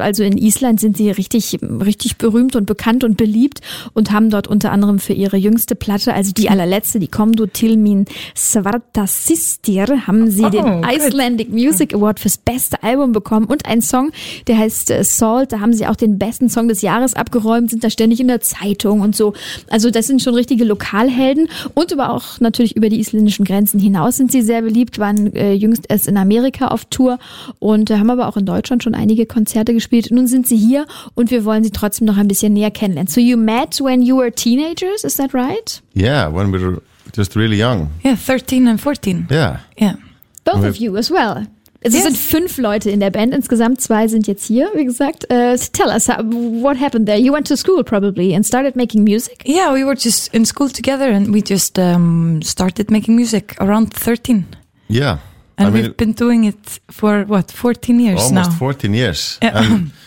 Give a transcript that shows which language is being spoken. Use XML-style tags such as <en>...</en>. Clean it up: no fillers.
<de>Also in Island sind sie richtig, richtig berühmt und bekannt und beliebt und haben dort unter anderem für ihre jüngste Platte, also die allerletzte, die Komdu Tilmin Svarta Sistir, haben sie den Icelandic Music Award fürs beste Album bekommen und ein Song, der heißt Salt, da haben sie auch den besten Song des Jahres abgeräumt, sind da ständig in der Zeitung und so. Also das sind schon richtige Lokalhelden und aber auch natürlich über die isländischen Grenzen hinaus sind sie sehr beliebt, waren jüngst erst in Amerika auf Tour und haben aber auch in Deutschland schon einige Konzerte gespielt. Nun sind sie hier und wir wollen sie trotzdem noch ein bisschen näher kennenlernen.</de> <en>So you met when you were teenagers, is that right? Yeah, when we were just really young. Yeah, 13 and 14. Yeah. Yeah. Both of you as well.</en> <de>Es sind fünf Leute in der Band insgesamt. Zwei sind jetzt hier, wie gesagt.</de> <en>Tell us, what happened there? You went to school probably and started making music? Yeah, we were just in school together and we just started making music around 13. Yeah. And I mean, we've been doing it for, what, 14 years almost now? Almost 14 years. Yeah.</en>